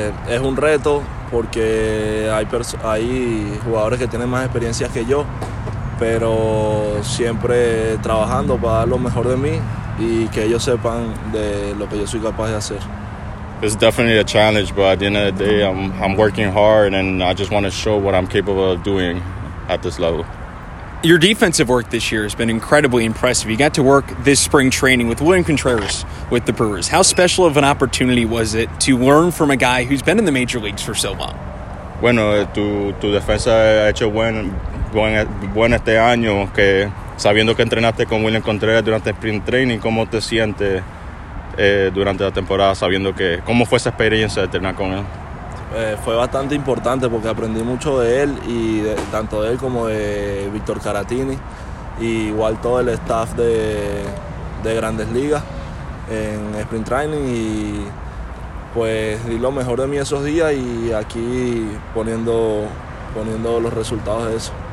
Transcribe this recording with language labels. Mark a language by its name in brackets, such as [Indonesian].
[Spanish] Es un reto porque hay jugadores que tienen más experiencias que yo, pero siempre trabajando para dar lo mejor de mí y que ellos sepan de lo que yo soy capaz de hacer. [English] It's definitely a challenge, but at the end of the day, I'm working hard and I just want to show what I'm capable of doing at this level. Your defensive work this year has been incredibly impressive. You got to work this spring training with William Contreras with the Brewers. How special of an opportunity was it to learn from a guy who's been in the major leagues for so long? [Spanish] Bueno, tu defensa ha hecho buen este año, que sabiendo que entrenaste con William Contreras durante spring training, ¿cómo te sientes durante la temporada sabiendo que, cómo fue esa experiencia de entrenar con él? Fue bastante importante porque aprendí mucho de él y tanto de él como de Víctor Caratini y igual todo el staff de Grandes Ligas en spring training, y pues di lo mejor de mí esos días y aquí poniendo los resultados de eso.